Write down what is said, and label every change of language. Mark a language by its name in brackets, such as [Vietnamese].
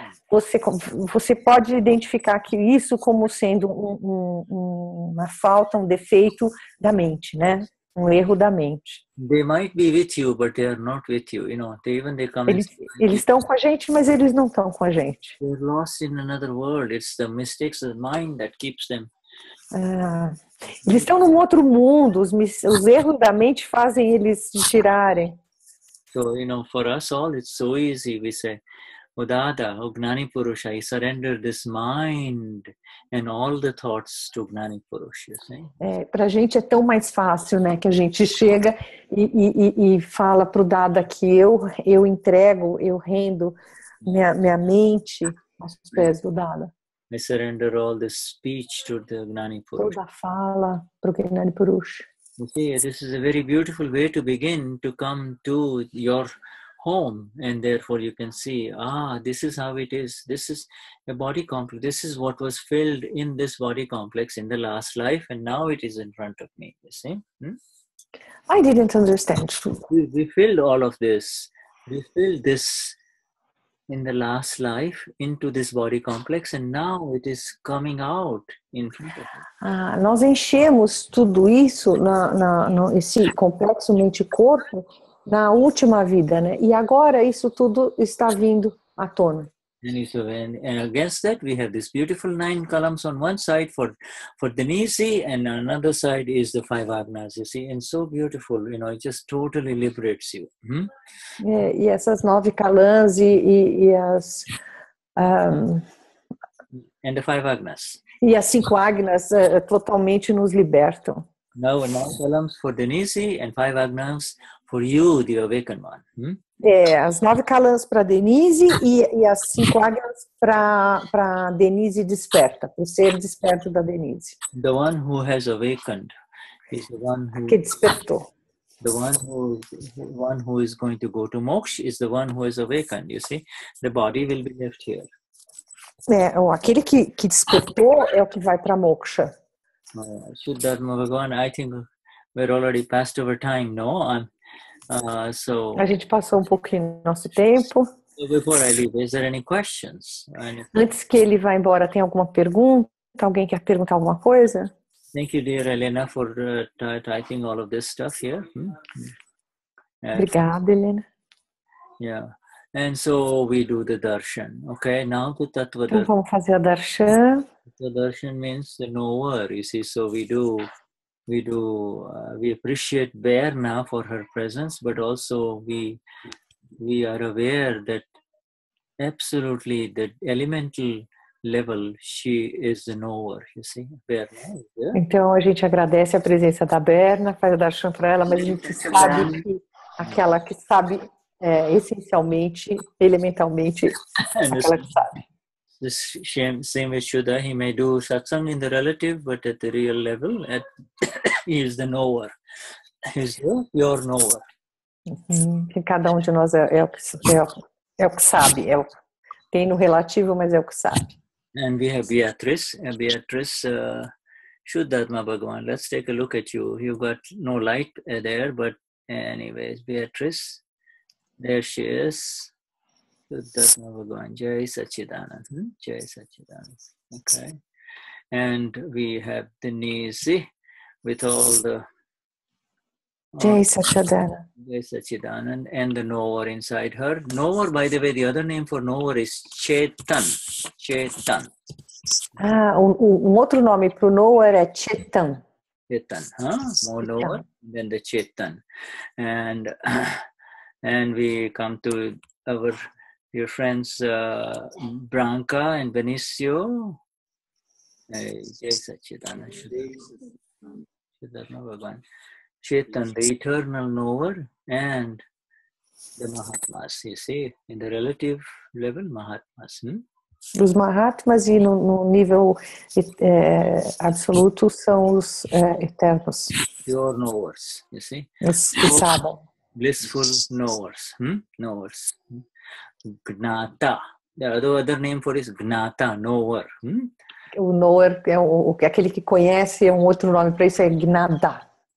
[Portuguese] Você pode identificar que isso como sendo uma falta, um defeito da mente, né? Um erro da mente. [English] They might be with you, but they are not with you. You know, they come. [Portuguese] Eles estão com a gente, mas eles não estão com a gente. [English] They're lost in another world. It's the mistakes of the mind that keeps them. [Portuguese] Eles estão num outro mundo. Os erros da mente fazem eles se tirarem. [English] So, you know, for us all, it's so easy. We say, O Dada, O Gnani Purusha, I surrender this mind and all the thoughts to Gnani Purusha. [Portuguese] Pra gente é tão mais fácil, né? Que a gente chega e fala pro Dada que eu entrego, eu rendo minha mente aos pés do Dada. [English] I surrender all the speech to the Gnani Purusha. [Portuguese] Toda a fala pro Gnani Purusha. [English] Okay, this is a very beautiful way to begin to come to your home, and therefore you can see, this is how it is. This is a body complex. This is what was filled in this body complex in the last life, and now it is in front of me. You see? I didn't understand. We filled all of this. We filled this in the last life into this body complex, and now it is coming out in front of me. [Portuguese] Nós enchemos tudo isso no esse complexo mente-corpo na última vida, né? E agora isso tudo está vindo à tona. [English] And against that we have this beautiful 9 columns on one side for Denise, and another side is the 5 agnas, you see? And so beautiful, you know, it just totally liberates you. [Portuguese] E essas 9 columns e as... [English] And the 5 agnas. [Portuguese] E as 5 agnas totalmente nos libertam. [English] Now 9 columns for Denise and 5 agnas for you, the awakened one. [Portuguese] As 9 calãs para Denise e as 5 agnas para Denise desperta, para o ser desperto da Denise. [English] The one who has awakened is the one who... [Portuguese] Que despertou. [English] The one who is going to go to moksha is the one who has awakened, you see? The body will be left here. [Portuguese] Aquele que despertou é o que vai para moksha. [English] Vishuddhatma Bhagavan, I think we're already passed over time, no? [Portuguese] A gente passou um pouquinho nosso tempo. [English] Before I leave, is there any questions? [Portuguese] Antes que ele vá embora, tem alguma pergunta? Alguém quer perguntar alguma coisa? [English] Thank you, dear Helena, for typing all of this stuff here. [Portuguese] Obrigada, Helena. [English] Yeah. And so we do the darshan. Okay, now to tatvadrashti. [Portuguese] Então vamos fazer a darshan. [English] The darshan means the knower, you see, so we appreciate Berna for her presence, but also we are aware that absolutely the elemental level, she is the knower, you see, Berna. Yeah? [Portuguese] Então a gente agradece a presença da Berna, faz a darshan para ela, mas a gente sabe que aquela que sabe é, essencialmente, elementalmente, aquela que sabe. [English] This same Vishuddha, he may do satsang in the relative, but at the real level, at, he is the knower. He is your knower. [Portuguese] Que cada de nós é o que sabe. É o, tem no relativo, mas é o que sabe. [English] And we have Beatrice. Beatrice, Shuddhatma Bhagavan, let's take a look at you. You've got no light there, but anyways, Beatrice, there she is. Shuddhatma Bhagavan, Jai Satchidanand, Jai Satchidanand, okay. And we have the Nisi with all the... Jai Satchidanand. Jai Satchidanand and the knower inside her. Knower, by the way, the other name for knower is Chetan, Chetan. [Portuguese] Ah, um outro nome para o knower é Chetan. [English] Chetan, huh? More Chetan. Knower than the Chetan. And we come to our... Your friends Branca and Benicio. Jai Satchidanand. Chetan, the eternal knower, and the Mahatmas, you see, in the relative level, Mahatmas. [Portuguese] Os Mahatmas e no nível absoluto são os eternos. [English] Your knowers, you see. [Portuguese] Os que sabem. [English] Blissful knowers. Knowers. Gnata. The other name for it is Gnata, knower. [Portuguese] O knower é aquele que conhece, é um outro nome para isso, é Gnata.